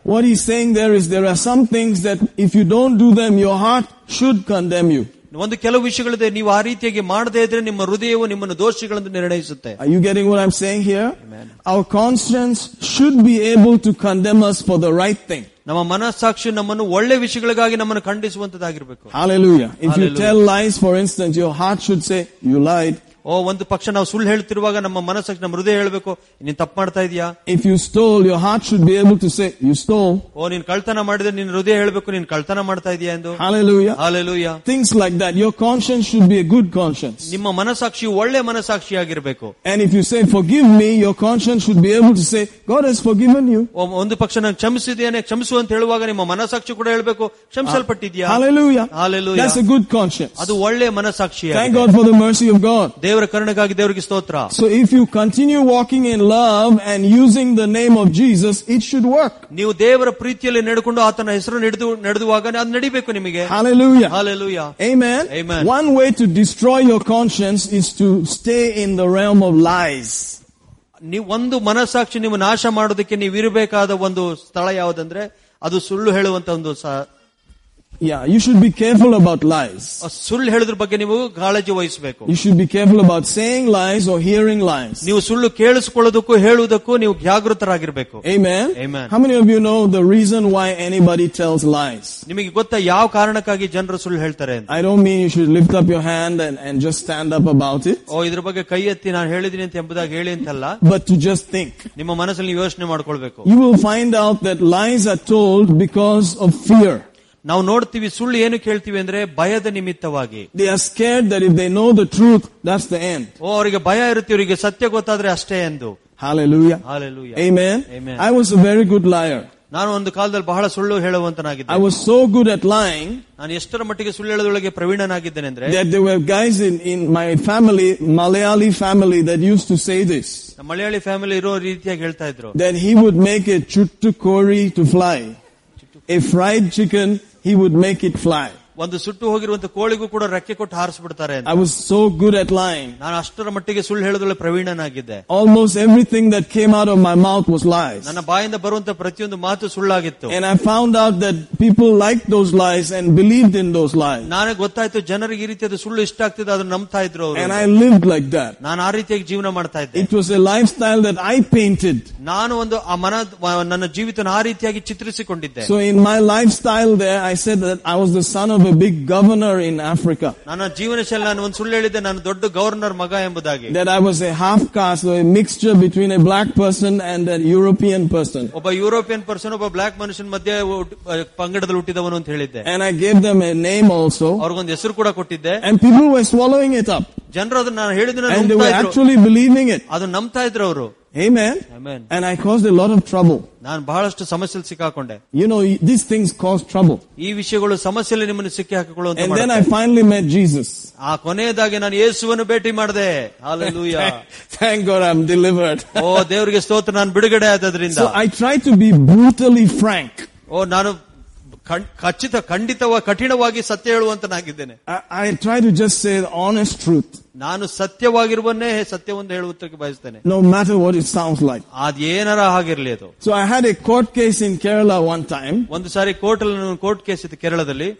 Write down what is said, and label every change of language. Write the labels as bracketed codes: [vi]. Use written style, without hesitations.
[en] What he's saying there is, there are some things that if you don't do them, your heart should condemn you. [kn] ಒಂದು ಕೆಲವು ವಿಷಯಗಳಿದೆ, ನೀವು ಆ ರೀತಿಯಾಗಿ ಮಾಡದೇ ಇದ್ರೆ ನಿಮ್ಮ ಹೃದಯವು ನಿಮ್ಮನ್ನು ದೋಷಗಳನ್ನು ನಿರ್ಣಯಿಸುತ್ತೆ. [en] Are you getting what I'm saying here? Our conscience should be able to condemn us for the right thing. [kn] ನಮ್ಮ ಮನಸ್ಸಾಕ್ಷಿ ನಮ್ಮನ್ನು ಒಳ್ಳೆ ವಿಷಯಗಳಿಗಾಗಿ ನಮ್ಮನ್ನು ಖಂಡಿಸುವಂತದಾಗಿರಬೇಕು. [en] Hallelujah. If you tell lies, for instance, your heart should say, you lied. [kn] ಓ, ಒಂದು ಪಕ್ಷ ನಾವು ಸುಳ್ಳು ಹೇಳ್ತಿರುವಾಗ ನಮ್ಮ ಮನಸ್ಸಾಕ್ಷಿ ನಮ್ಮ ಹೃದಯ ಹೇಳಬೇಕು, ನೀನು ತಪ್ಪು ಮಾಡ್ತಾ ಇದೀಯಾ. [en] If you stole, your heart should be able to say, you stole. [kn] ಓ, ನೀನು ಕಳ್ಳತನ ಮಾಡಿದ್ರೆ ನಿನ್ನ ಹೃದಯ ಹೇಳಬೇಕು, ನೀನು ಕಳ್ಳತನ ಮಾಡ್ತಾ ಇದೀಯಾ ಎಂದು. [en] Hallelujah. Hallelujah. Things like that. Your conscience should be a good conscience. [kn] ನಿಮ್ಮ ಮನಸ್ಸಾಕ್ಷಿ ಒಳ್ಳೆ ಮನಸ್ಸಾಕ್ಷಿಯಾಗಿರಬೇಕು. [en] And if you say, forgive me, your conscience should be able to say, God has forgiven you. [kn] ಓ, ಒಂದು ಪಕ್ಷ ನಾನು ಕ್ಷಮಿಸಿದ್ದೇನೆ, ಕ್ಷಮಿಸು ಅಂತ ಹೇಳುವಾಗ ನಿಮ್ಮ ಮನಸ್ಸಾಕ್ಷಿ ಕೂಡ ಹೇಳಬೇಕು, ಕ್ಷಮಿಸಲ್ಪಟ್ಟಿದ್ಯಾ. [en] Hallelujah. Hallelujah. That's a good conscience. [kn] ಅದು ಒಳ್ಳೆ ಮನಸ್ಸಾಕ್ಷಿ. [en] Thank God for the mercy of God. [kn] ದೇವರ ಕರುಣೆಗಾಗಿ ದೇವರಿಗೆ ಸ್ತೋತ್ರ. [en] So if you continue walking in love and using the name of Jesus, it should work. [kn] ನೀವು ದೇವರ ಪ್ರೀತಿಯಲ್ಲಿ ನಡೆಕೊಂಡು ಆತನ ಹೆಸರು ನಡೆದುವಾಗ ಅದು ನಡೀಬೇಕು ನಿಮಗೆ. [en] Hallelujah. Hallelujah. Amen. Amen. One way to destroy your conscience is to stay in the realm of lies. [kn] ನೀವು ಒಂದು ಮನಸ್ಸಾಕ್ಷಿ ನೀವು ನಾಶ ಮಾಡೋದಕ್ಕೆ ನೀವು ಇರಬೇಕಾದ ಒಂದು ಸ್ಥಳ ಯಾವುದಂದ್ರೆ ಅದು ಸುಳ್ಳು ಹೇಳುವಂತ ಒಂದು. [en] Yeah, you should be careful about lies. [kn] ಸುಳ್ಳು ಹೇಳಿದ್ರ ಬಗ್ಗೆ ನೀವು ಕಾಳಜಿ ವಹಿಸಬೇಕು. [en] You should be careful about saying lies or hearing lies. [kn] ನೀವು ಸುಳ್ಳು ಕೇಳಿಸಿಕೊಳ್ಳೋದಕ್ಕೂ ಹೇಳುವುದಕ್ಕೂ ನೀವು ಜಾಗೃತರಾಗಿರಬೇಕು. [en] Amen. Amen. How many of you know the reason why anybody tells lies? [kn] ನಿಮಗೆ ಗೊತ್ತಾ ಯಾವ ಕಾರಣಕ್ಕಾಗಿ ಜನರು ಸುಳ್ಳು ಹೇಳ್ತಾರೆ? [en] I don't mean you should lift up your hand and just stand up about it. [kn] ಓ, ಇದ್ರ ಬಗ್ಗೆ ಕೈ ಎತ್ತಿ ನಾನು ಹೇಳಿದೀನಿ ಅಂತ ಎಂಬುದಾಗಿ ಹೇಳಿ ಅಂತಲ್ಲ. [en] But to just think. [kn] ನಿಮ್ಮ ಮನಸ್ಸಲ್ಲಿ ಯೋಚನೆ ಮಾಡ್ಕೊಳ್ಬೇಕು. [en] You will find out that lies are told because of fear. [kn] ನಾವು ನೋಡ್ತೀವಿ ಸುಳ್ಳು ಏನು ಕೇಳ್ತೀವಿ ಅಂದ್ರೆ ಭಯದ ನಿಮಿತ್ತವಾಗಿ. [en] They are scared that if they know the truth, that's the end. [kn] ಓ, ಅವರಿಗೆ ಭಯ ಇರುತ್ತೆ, ಅವರಿಗೆ ಸತ್ಯ ಗೊತ್ತಾದ್ರೆ ಅಷ್ಟೇ ಎಂದು. [en] Hallelujah. Hallelujah. Amen. Amen. I was a very good liar. [kn] ನಾನು ಒಂದು ಕಾಲದಲ್ಲಿ ಬಹಳ ಸುಳ್ಳು ಹೇಳುವಂತನಾಗಿದ್ದೆ. [en] I was so good at lying. [kn] ನಾನು ಎಷ್ಟರ ಮಟ್ಟಿಗೆ ಸುಳ್ಳು ಹೇಳೋದ್ರೊಳಗೆ ಪ್ರವೀಣನಾಗಿದ್ದೇನೆ ಅಂದ್ರೆ. [en] There were guys in my family, Malayali family, that used to say this. [kn] Malayali family ಇರೋ ರೀತಿಯಾಗಿ ಹೇಳ್ತಾ ಇದ್ರು. [en] Then he would make a chuttu kori to fly. A fried chicken, he would make it fly. [kn] ಒಂದು ಸುಟ್ಟು ಹೋಗಿರುವಂತ ಕೋಳಿಗೂ ಕೂಡ ರೆಕ್ಕೆ ಕೊಟ್ಟು ಹಾರಿಸ್ಬಿಡ್ತಾರೆ. [en] I was so good at lying. [kn] ನಾನು ಅಷ್ಟರ ಮಟ್ಟಿಗೆ ಸುಳ್ಳು ಹೇಳೋದ್ರಲ್ಲಿ ಪ್ರವೀಣನಾಗಿದ್ದೆ. [en] Almost everything that came out of my mouth was lies. [kn] ನನ್ನ ಬಾಯಿಂದ ಬರುವಂತ ಪ್ರತಿಯೊಂದು ಮಾತು ಸುಳ್ಳಾಗಿತ್ತು. [en] And I found out that people liked those lies and believed in those lies. [kn] ನನಗೆ ಗೊತ್ತಾಯ್ತು ಜನರಿಗೆ ಈ ರೀತಿಯಾದ ಸುಳ್ಳು ಇಷ್ಟ ಆಗ್ತಿದ್ದ ಅದನ್ನ ನಂಬ್ತಾ ಇದ್ರು. [en] And I lived like that. [kn] ನಾನು ಆ ರೀತಿಯಾಗಿ ಜೀವನ ಮಾಡ್ತಾ ಇದ್ದೆ. [en] It was a lifestyle that I painted. [kn] ನಾನು ಒಂದು ಆ ಮನ ನನ್ನ ಜೀವಿತನ ಆ ರೀತಿಯಾಗಿ ಚಿತ್ರಿಸಿಕೊಂಡಿದ್ದೆ. [en] So in my lifestyle there, I said that I was the son of a big governor in Africa. [kn] ನನ್ನ ಜೀವನ ಶೈಲಿ ನಾನು ಒಂದು ಸುಳ್ಳು ಹೇಳಿದ್ದೆ, ನಾನು ದೊಡ್ಡ ಗವರ್ನರ್ ಮಗ ಎಂಬುದಾಗಿ. [en] That I was a half caste, a mixture between a black person and a European person. [kn] ಒಬ್ಬ ಯುರೋಪಿಯನ್ ಪರ್ಸನ್ ಒಬ್ಬ ಬ್ಲಾಕ್ ಮನುಷ್ಯನ ಮಧ್ಯೆ ಪಂಗಡದಲ್ಲಿ ಹುಟ್ಟಿದವನು ಅಂತ ಹೇಳಿದ್ದೆ. [en] And I gave them a name also. [kn] ಅವ್ರಿಗೊಂದು ಹೆಸರು ಕೂಡ ಕೊಟ್ಟಿದ್ದೆ. [en] And people were swallowing it up. [kn] ಜನರು ಅದನ್ನ ನಾನು ಹೇಳಿದ್ದನ್ನ ನಂಬ್ತಾ ಇದ್ರು. [en] And they were actually believing it. [kn] ಅದನ್ನ ನಂಬ್ತಾ ಇದ್ರು ಅವರು. [en] Amen. Amen. And I caused a lot of trouble. [kn] ನಾನು ಬಹಳಷ್ಟು ಸಮಸ್ಯೆಯಲ್ಲಿ ಸಿಕ್ಕಾಕೊಂಡೆ. [en] You know these things cause trouble. [kn] ಈ ವಿಷಯಗಳು ಸಮಸ್ಯೆಯಲ್ಲಿ ನಿಮ್ಮನ್ನು ಸಿಕ್ಕಿ ಹಾಕಿಕೊಳ್ಳುವಂತ. [en] And then I finally met Jesus. [kn] ಆ ಕೊನೆಯದಾಗಿ ನಾನು ಯೇಸುವನ್ನು ಭೇಟಿ ಮಾಡಿದೆ. Hallelujah. [en] Thank God I'm delivered. [kn] ಓ, ದೇವರಿಗೆ ಸ್ತೋತ್ರ, ನಾನು ಬಿಡುಗಡೆ ಆದದ್ರಿಂದ. [en] So I try to be brutally frank. [kn] ಓ, ನಾನು ಖಚಿತ ಖಂಡಿತವ ಕಠಿಣವಾಗಿ ಸತ್ಯ ಹೇಳುವಂತನಾಗಿದ್ದೇನೆ. [en] I try to just say honest truth. [kn] ನಾನು ಸತ್ಯವಾಗಿರುವನ್ನೇ ಸತ್ಯವನ್ನು ಹೇಳುವುದಕ್ಕೆ ಬಯಸುತ್ತೇನೆ. [en] No matter what it sounds like. [kn] ಅದೇನಾರ ಆಗಿರಲಿ ಅದು. [en] So I had a court case in Kerala one time. [kn] ಒಂದು ಸಾರಿ ಕೋರ್ಟ್ ಅಲ್ಲಿ ಕೋರ್ಟ್ ಕೇಸ್ ಇತ್ತು ಕೇರಳದಲ್ಲಿ.